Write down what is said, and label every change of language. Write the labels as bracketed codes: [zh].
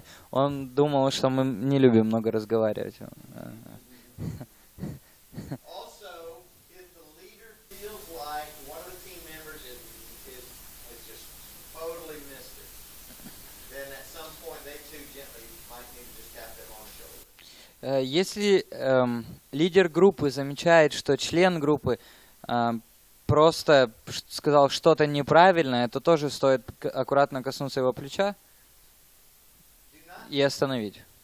[ru] Он думал, что мы не любим много разговаривать. [en] Also, if the leader feels like one of the team members is just totally missed it, then at some point they too gently might need to just tap them on the shoulder. [ru] Если лидер группы замечает, что член группы просто сказал что-то неправильное, это тоже стоит аккуратно коснуться его плеча и остановить.